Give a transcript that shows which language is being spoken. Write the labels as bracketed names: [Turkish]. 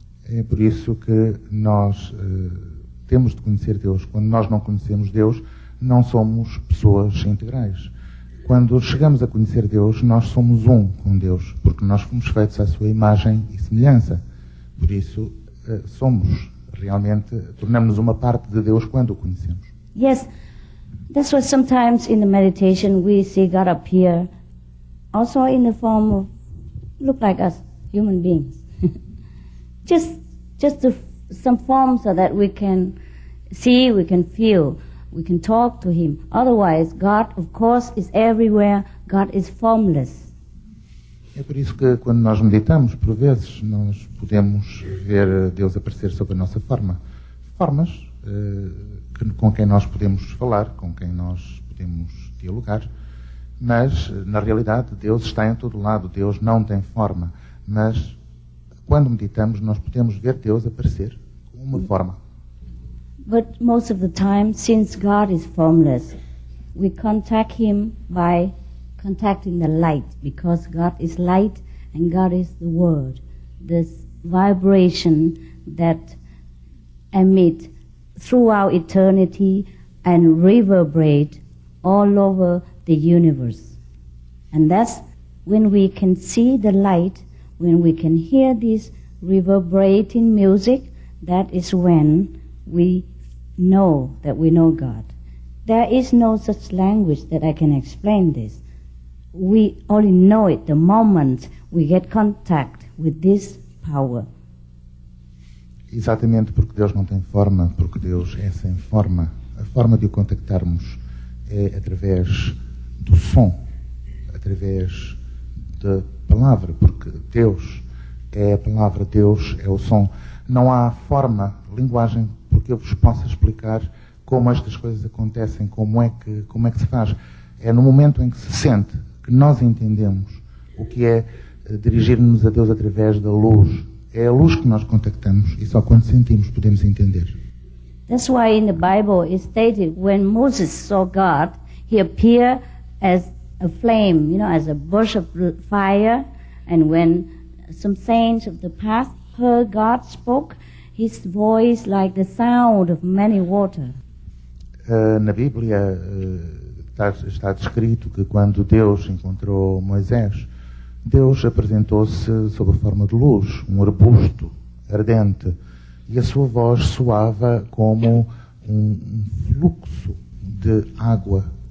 [Portuguese] É por isso que nós temos de conhecer Deus. Quando nós não conhecemos Deus, não somos pessoas integrais. Quando chegamos a conhecer Deus, nós somos um com Deus, porque nós fomos feitos à sua imagem e semelhança. Por isso, somos realmente, tornamos uma parte de Deus quando o conhecemos. [English] Yes, that's why sometimes in the meditation we see God appear also in the form of look like us, human beings. just some form so that we can see, we can feel, we can talk to Him. Otherwise, God, of course, is everywhere. God is formless. [Portuguese] É por isso que quando nós meditamos, por vezes, nós podemos ver Deus aparecer sob a nossa forma. Formas com quem nós podemos falar, com quem nós podemos dialogar. Mas, na realidade, Deus está em todo lado, Deus não tem forma. Mas, quando meditamos, nós podemos ver Deus aparecer com uma forma. [English] But most of the time, since God is formless, we contact Him by contacting the light, because God is light and God is the Word, this vibration that emits throughout eternity and reverberates all over the universe. And that's when we can see the light, when we can hear this reverberating music, that is when we know that we know God. There is no such language that I can explain this. We only know it the moment we get contact with this power. [Portuguese] Exatamente, porque Deus não tem forma, porque Deus é sem forma. A forma de o contactarmos é através do som, através da palavra, porque Deus é a palavra Deus, é o som. Não há forma, linguagem, porque eu vos possa explicar como estas coisas acontecem, como é que se faz. É no momento em que se sente que nós entendemos o que é dirigir-nos a Deus através da luz. É a luz que nós contactamos e só quando sentimos podemos entender. [English] That's why in the Bible it stated when Moses saw God, he appeared as a flame, you know, as a bush of fire. And when some saints of the past heard God spoke, his voice like the sound of many water. [Portuguese] Na Bíblia está descrito que quando Deus encontrou Moisés, Deus apresentou-se sob a forma de luz, um arbusto ardente, e a sua voz soava como um fluxo de água.